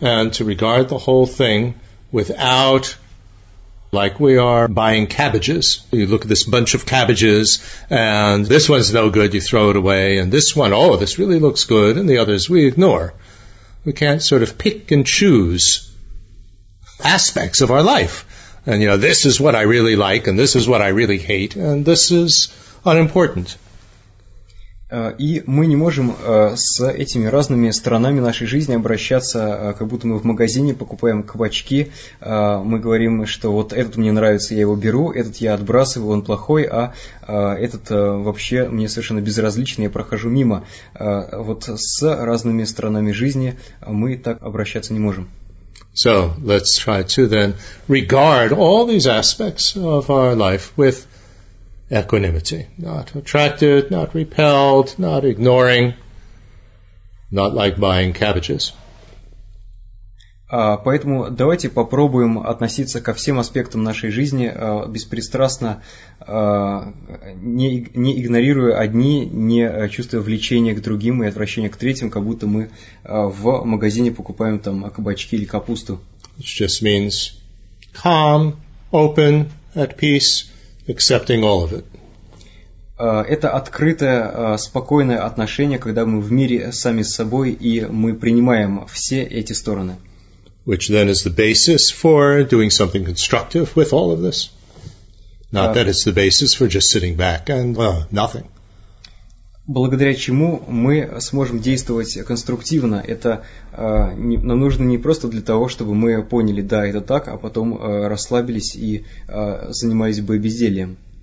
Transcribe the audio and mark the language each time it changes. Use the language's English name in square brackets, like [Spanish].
[English] And to regard the whole thing without, like we are buying cabbages. You look at this bunch of cabbages, and this one's no good, you throw it away, and this one, oh, this really looks good, and the others we ignore. We can't sort of pick and choose aspects of our life. And, you know, this is what I really like, and this is what I really hate, and this is unimportant. [Russian] И мы не можем с этими разными сторонами нашей жизни обращаться, как будто мы в магазине покупаем кабачки. Мы говорим, что вот этот мне нравится, я его беру, этот я отбрасываю, он плохой, а этот вообще мне совершенно безразличен, я прохожу мимо. Вот с разными сторонами жизни мы так обращаться не можем. [English] So, let's try to then regard all these aspects of our life with equanimity, not attracted, not repelled, not ignoring, not like buying cabbages. [Russian] Поэтому давайте попробуем относиться ко всем аспектам нашей жизни беспристрастно, не игнорируя одни, не чувствуя влечения к другим и отвращения к третьим, как будто мы в магазине покупаем там кабачки или капусту. [English] It just means calm, open, at peace, accepting all of it. [Russian] Это открытое, спокойное отношение, когда мы в мире сами с собой, и мы принимаем все эти стороны. [English] Which then is the basis for doing something constructive with all of this. Not that it's the basis for just sitting back and nothing. [Russian] Благодаря чему мы сможем действовать конструктивно. Это нам нужно не просто для того, чтобы мы поняли, да, это так, а потом расслабились и занимались бы бездельем.